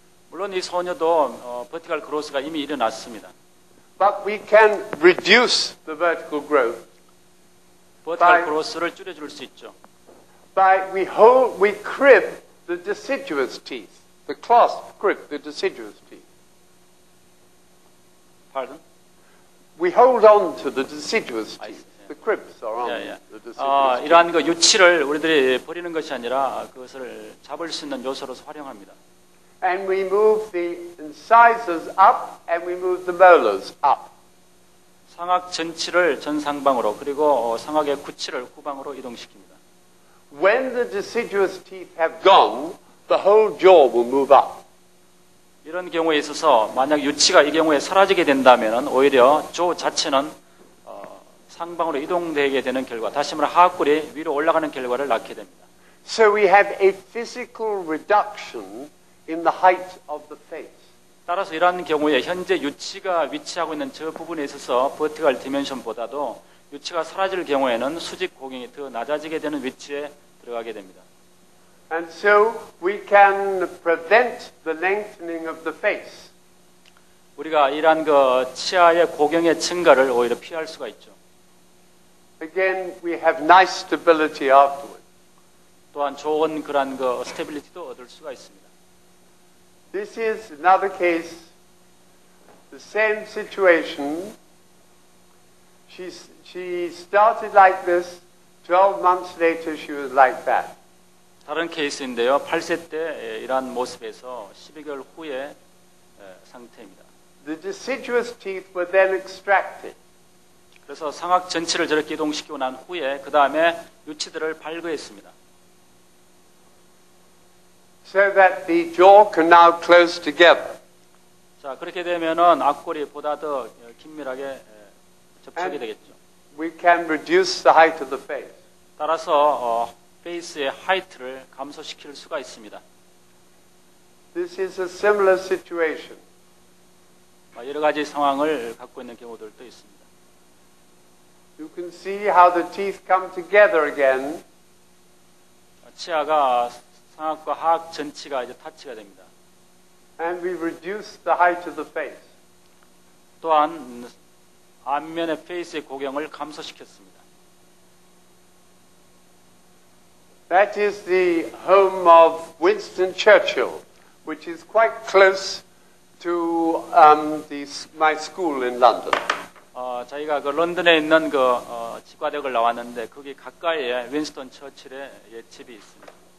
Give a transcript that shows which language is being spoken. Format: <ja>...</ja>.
<ko>물론 이 소녀도 vertical growth가 이미 일어났습니다.</ko> <en>But we can reduce the vertical growth.</en> <ko>vertical growth를 줄여줄 수 있죠.</ko> <en>By we crib the deciduous teeth, the clasp grip, the deciduous teeth. Pardon? We hold on to the deciduous teeth. The grips are on the deciduous teeth.</en> <ko>이러한 그 유치를 우리들이 버리는 것이 아니라 그것을 잡을 수 있는 요소로서 활용합니다.</ko> <en>And we move the incisors up and we move the molars up.</en> <ko>상악 전치를 전상방으로 그리고 상악의 구치를 후방으로 이동시킵니다.</ko> <en>When the deciduous teeth have gone, the whole jaw will move up.</en> <ko>이런 경우에 있어서 만약 유치가 이 경우에 사라지게 된다면은 오히려 조 자체는 상방으로 이동되게 되는 결과, 다시 말해 하악골이 위로 올라가는 결과를 낳게 됩니다.</ko> <en>So we have a physical reduction in the height of the face.</en> <ko>따라서 이러한 경우에 현재 유치가 위치하고 있는 저 부분에 있어서 버티컬 디멘션보다도 유치가 사라질 경우에는 수직 고객이 더 낮아지게 되는 위치에 들어가게 됩니다.</ko> <en>And so we can prevent the lengthening of the face.</en> <ko>우리가 이러한 그 치아의 고객의 증가를 오히려 피할 수가 있죠.</ko> <en>Again, we have nice stability afterwards.</en> <ko>또한 좋은 그러한 그 스테빌리티도 얻을 수가 있습니다.</ko> <en>This is another case, the same situation. She started like this. 12 months later, she was like that.</en> <ko>다른 케이스인데요. 8세 때 이러한 모습에서 12개월 후의 상태입니다.</ko> <en>The deciduous teeth were then extracted.</en> <ko>그래서 상악 전치를 저렇게 이동시키고 난 후에 그 다음에 유치들을 발굴했습니다.</ko> <en>So that the jaw can now close together.</en> <ko>자 그렇게 되면은 악골이 보다 더 긴밀하게 접촉이</ko> <en>And</en> <ko>되겠죠.</ko> <en>We can reduce the height of the face.</en> <ko>따라서 페이스의 하이트를 감소시킬 수가 있습니다.</ko> <en>This is a similar situation.</en> <ko>여러 가지 상황을 갖고 있는 경우들도 있습니다.</ko> <en>You can see how the teeth come together again.</en> <ko>치아가 상악과 하악 전치가 이제 타치가 됩니다.</ko> <en>And we reduce the height of the face.</en> <ko>또한 안면의 페이스의 고경을 감소시켰습니다.</ko> <en>That is the home of Winston Churchill, which is quite close to my school in London.</en> <ko>저희가 그 런던에 있는 그 치과대학을 나왔는데 거기 가까이에 윈스턴 처칠의 옛집이 있습니다.</ko>